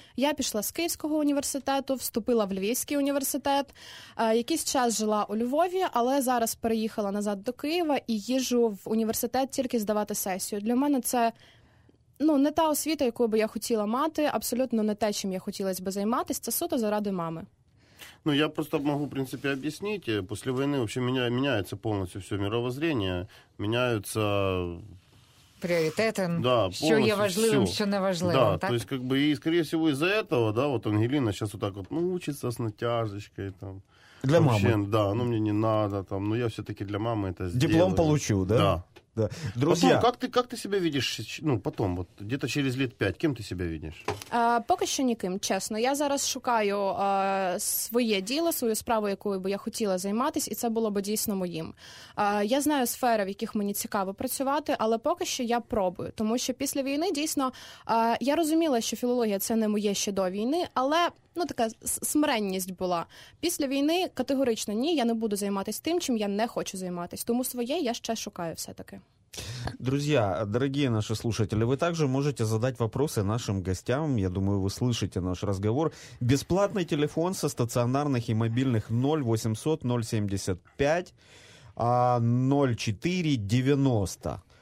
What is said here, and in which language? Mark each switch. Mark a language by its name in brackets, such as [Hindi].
[Ukrainian] Я пішла з Київського університету, вступила в Львівський університет. Якийсь час жила у Львові, але зараз переїхала назад до Києва і їжу в університет тільки здавати сесію. Для мене це, ну, не та освіта, яку би я хотіла мати, абсолютно не те, чим я хотілася би займатися. Це суто заради мами. [Russian] Ну, я просто могу, в принципе, объяснить. После войны вообще меняется полностью все мировоззрение, меняются... Приоритеты, да, что я важливым, все. Что не важливым. Да, так? То есть, как бы, и, скорее всего, из-за этого, да, вот Ангелина сейчас вот так вот, ну, учится с натяжечкой, там. Для вообще, мамы. Да, ну, мне не надо, там, но я все-таки для мамы это сделаю. Диплом получу, да? Да. Да. Друзья. Потом, как ты себя видишь, ну, потом, вот, где-то через лет 5, кем ты себя видишь? [Ukrainian] Поки що ніким, чесно. Я зараз шукаю своє діло, свою справу, якою би я хотіла займатися, і це було би дійсно моїм. Я знаю сфери, в яких мені цікаво працювати, але поки що я пробую, тому що після війни дійсно я розуміла, що філологія – це не моє ще до війни, але, ну, така смиренність була. Після війни категорично ні, я не буду займатися тим, чим я не хочу займатися, тому своє я ще шукаю все-таки. [Russian] Друзья, дорогие наши слушатели, вы также можете задать вопросы нашим гостям. Я думаю, вы слышите наш разговор. Бесплатный телефон со стационарных и мобильных 0800 075 04 90.